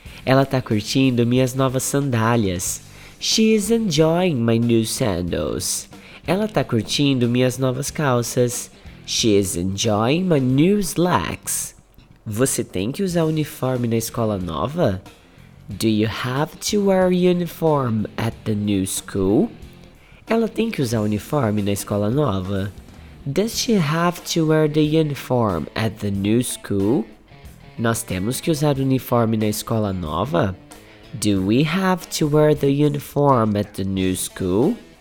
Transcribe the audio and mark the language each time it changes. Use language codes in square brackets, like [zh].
[pt] Ela tá curtindo minhas novas sandálias. [en] She is enjoying my new sandals. [pt] Ela tá curtindo minhas novas calças. [en] She is enjoying my new slacks. [pt] Você tem que usar uniforme na escola nova? [en] Do you have to wear uniform at the new school? [pt] Ela tem que usar uniforme na escola nova. [en] Does she have to wear the uniform at the new school? [pt] Nós temos que usar uniforme na escola nova? [en] Do we have to wear the uniform at the new school?